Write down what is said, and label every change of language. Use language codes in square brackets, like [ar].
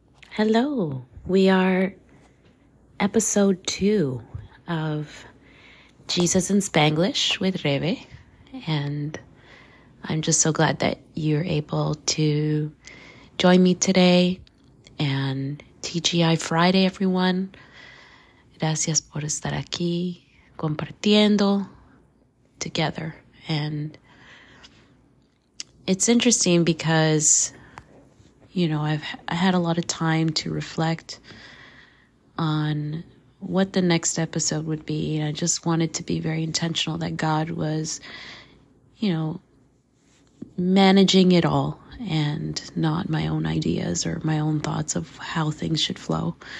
[en] Hello, we are episode 2 of Jesus in Spanglish with Rebe, and I'm just so glad that you're able to join me today and TGI Friday, everyone. [es] Gracias por estar aquí compartiendo [en] together. And it's interesting because, you know, I had a lot of time to reflect on what the next episode would be. And I just wanted to be very intentional that God was, you know, managing it all and not my own ideas or my own thoughts of how things should flow.